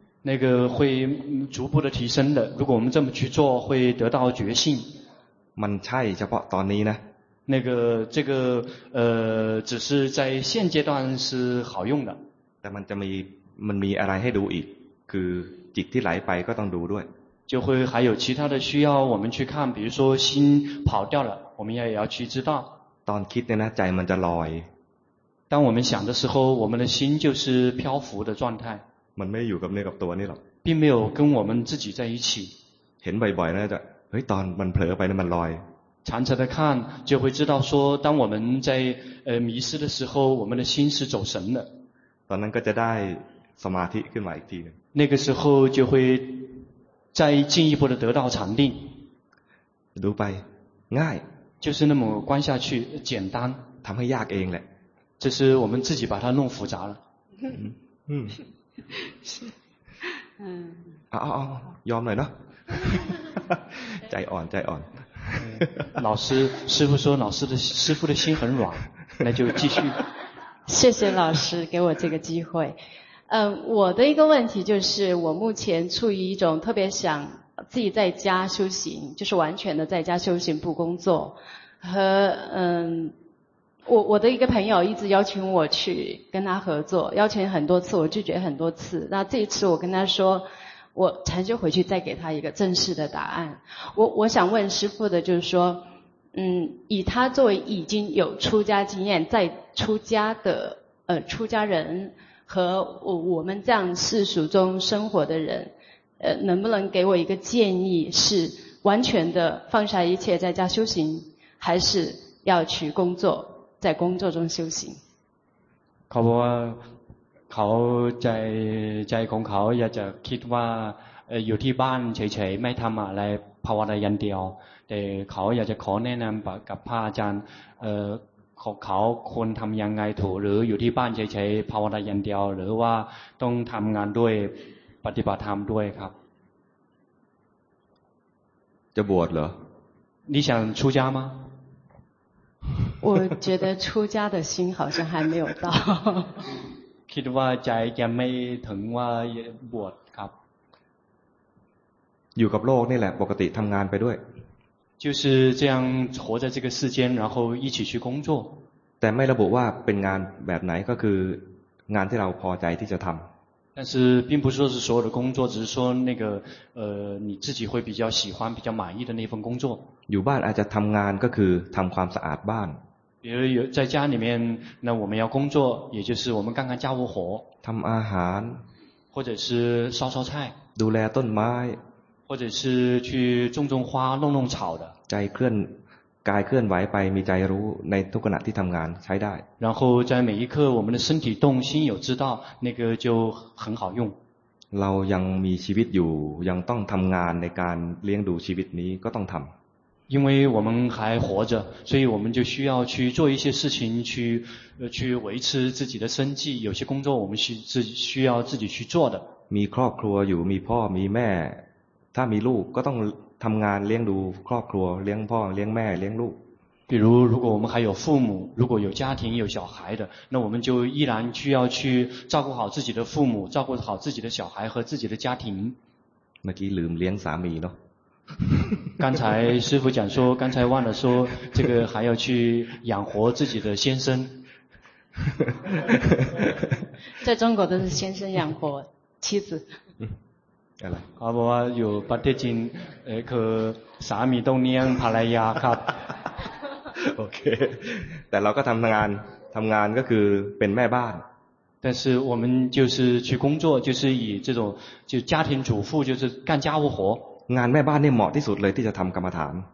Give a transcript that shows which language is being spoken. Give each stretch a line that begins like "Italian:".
Chinese: 那个会逐步的提升的如果我们这么去做会得到觉性
Thai: มันใช่เฉพาะตอนนี้นะ
Chinese: 那个这个只是在现阶段是好用的。
Thai: 但มันมีอะไรให้ดูอีกคือจิตที่ไหลไปก็ต้องดูด้วย
Chinese: 就会还有其他的需要我们去看，比如说心跑掉了，我们也要去知道。
Thai: ตอนคิดเนี่ยนะใจมันจะลอย
Chinese: 当我们想的时候，我们的心就是漂浮的状态。
Thai: มันไม่อยู่กับเนื้อกับตัวนี่หรอก
Chinese: 并没有跟我们自己在一起。
Thai: เห็นบ่อยๆนะจะเฮ้ยตอนมันเผลอไปนะมันลอย
Chinese: 常常的看就会知道说当我们在迷失的时候我们的心是走神的
Thai: ตอนนั้นก็จะได้สมาธิขึ้นมาอีกทีนึง
Chinese: 那个时候就会再进一步的得到禅定
Thai: ดูไปง่าย
Chinese: 就是那么观下去简单
Thai: ทำให้ยากเองแหละ
Chinese: 这是我们自己把它弄复杂了
Thai: ยอมหน่อยเนาะใจอ่อนใจอ่อน
Chinese: 老师师父说老师的师父的心很软那就继续谢谢老师给我这个机会我的一个问题就是我目前处于一种特别想自己在家修行就是完全的在家修行不工作和我的一个朋友一直邀请我去跟他合作邀请很多次我拒绝很多次那这一次我跟他说我才就回去再给他一个正式的答案我想问师父的就是说以他作为已经有出家经验在出家的出家人和我们这样世俗中生活的人能不能给我一个建议是完全的放下一切在家修行还是要去工作在工作中修行
Thai: เขาบอกว่าเขาใจของเขาอยากจะคิดว่าอยู่ที่บ้านเฉยๆไม่ทำอะไรภาวนาอย่างเดียวแต่เขาอยากจะขอแนะนำกับพระอาจารย์ของเขาควรทำยังไงถูกหรืออยู่ที่บ้านเฉยๆภาวนาอย่างเดียวหรือว่าต้องทำงานด้วยปฏิบัติธรรมด้วยครับ จะบวชเหร
Chinese: อ你想出家吗我觉得出家的心好像还没有到
Thai: คิดว่าใจยังไม่ถึงว่าบวชครับ อยู่กับโลกนี่แหละปกติทำงานไปด้วย
Chinese: 就是这样活在这个世间然后一起去工作
Thai: แต่ไม่ระบุว่าเป็นงานแบบไหนก็คืองานที่เราพอใจที่จะทำ
Chinese: 但是并不是说是所有的工作只是说那个你自己会比较喜欢比较满意的那份工作
Thai: อยู่บ้านอาจจะทำงานก็คือทำความสะอาดบ้าน
Chinese: 比如有在家里面那我们要工作也就是我们干干家务活
Thai: ทำอาหาร
Chinese: 或者是烧烧菜
Thai: ดูแลต้นไม้
Chinese: 或者是去种种花弄弄草的
Thai: ใจเคลื่อนกายเคลื่อนไหวไปมีใจรู้ในทุกขณะที่ทำงานใช้ได้
Chinese: 然后在每一刻我们的身体动心有知道那个就很好用
Thai: เรายังมีชีวิตอยู่ยังต้องทำงานในการเลี้ยงดูชีวิตนี้ก็ต้องทำ
Chinese: 因为我们还活着所以我们就需要去做一些事情去维持自己的生计有些工作我们需要自己去做的
Thai: มีครอบครัวอยู่มีพ่อมีแม่ถ้ามีลูกก็ต้องทำงานเลี้ยงดูครอบครัวเลี้ยงพ่อเลี้ยงแม่เลี้ยงลูก
Chinese: 比如如果我们还有父母如果有家庭有小孩的那我们就依然需要去照顾好自己的父母照顾好自己的小孩和自己的家庭
Thai: เมื่อกี้ลืมเลี้ยงสามีเนาะ
Chinese: 刚才师父讲说刚才忘了说这个还要去养活自己的先生在中国都是先生养活妻子
Thai: เอาบอกว่าอยู่ประเทศจีนคือสามีต้องเลี้ยงภรรยาครับ โอเคแต่เราก็ทำงานก็คือเป็นแม่บ้าน
Chinese: 但是我们就是去工作就是以这种就家庭主妇就是干家务活
Thai: งานแม่บ้านเนี่ยเหมาะที่สุดเลยที่จะทำกรรมฐาน